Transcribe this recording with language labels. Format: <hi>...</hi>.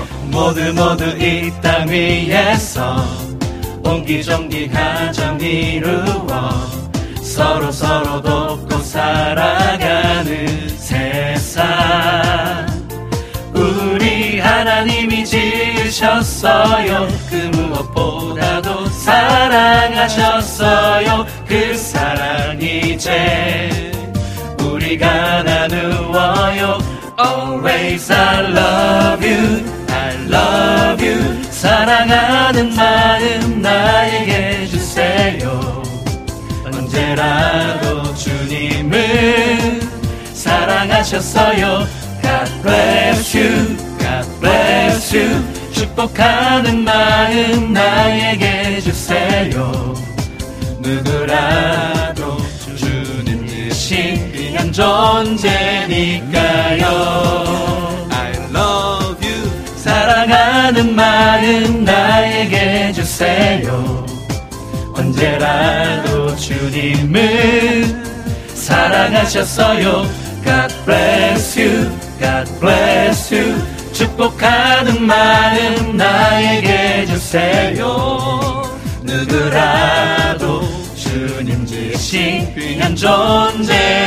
<ko>모두 모두 이 땅 위에서 옹기종기 가정 이루어 서로 서로 돕고 살아가는 세상 우리 하나님이 지으셨어요. 그 무엇보다도 사랑하셨어요. 그 사랑 이제 우리가 나누어요.</ko> <en>Always I love you, I love you.</en> <ko>사랑하는 마음 나에게 주세요. 언제라도 주님을 사랑하셨어요.</ko> <en>God bless you, God bless you.</en> <ko>축복하는 마음 나에게 주세요. 누구라도 주님 대신 귀한 존재니까요.</ko> <en>I love you.</en> <ko>사랑하는 마음 나에게 주세요. 언제라도 주님을 사랑하셨어요.</ko> <en>God bless you, God bless you.</en> <ko>축복하는 마음 나에게 주세요. 누구라도 주님 지신 귀한 존재니까요.</ko>